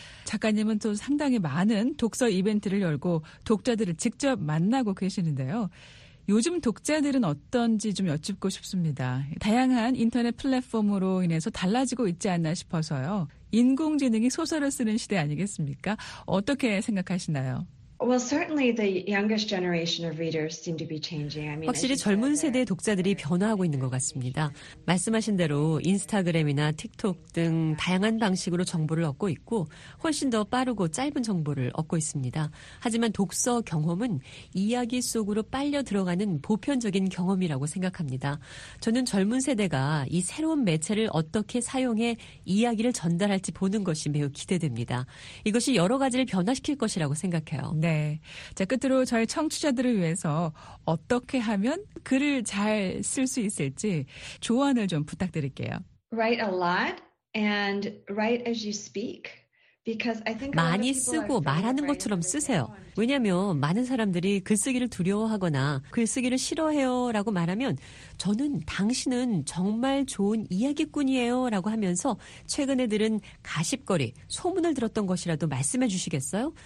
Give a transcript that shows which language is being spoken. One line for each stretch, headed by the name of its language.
Korean: 작가님은 또 상당히 많은 독서 이벤트를 열고 독자들을 직접 만나고 계시는데요. 요즘 독자들은 어떤지 좀 여쭙고 싶습니다. 다양한 인터넷 플랫폼으로 인해서 달라지고 있지 않나 싶어서요. 인공지능이 소설을 쓰는 시대 아니겠습니까? 어떻게 생각하시나요?
English: Well, certainly the youngest generation of readers seem to be changing.
Korean: 확실히 젊은 세대의 독자들이 변화하고 있는 것 같습니다. 말씀하신 대로 인스타그램이나 틱톡 등 다양한 방식으로 정보를 얻고 있고 훨씬 더 빠르고 짧은 정보를 얻고 있습니다. 하지만 독서 경험은 이야기 속으로 빨려 들어가는 보편적인 경험이라고 생각합니다. 저는 젊은 세대가 이 새로운 매체를 어떻게 사용해 이야기를 전달할지 보는 것이 매우 기대됩니다. 이것이 여러 가지를 변화시킬 것이라고 생각해요. 네. 자, 끝으로 저희 청취자들을 위해서 어떻게 하면 글을 잘 쓸 수 있을지 조언을 좀 부탁드릴게요.
English: Write a lot and write as you speak. Because I think
Korean: 많이 쓰고 말하는 것처럼 쓰세요. 왜냐하면 많은 사람들이 글쓰기를 두려워하거나 글쓰기를 싫어해요 라고 말하면 저는 당신은 정말 좋은 이야기꾼이에요 라고 하면서 최근에 들은 가십거리, 소문을 들었던 것이라도 말씀해 주시겠어요?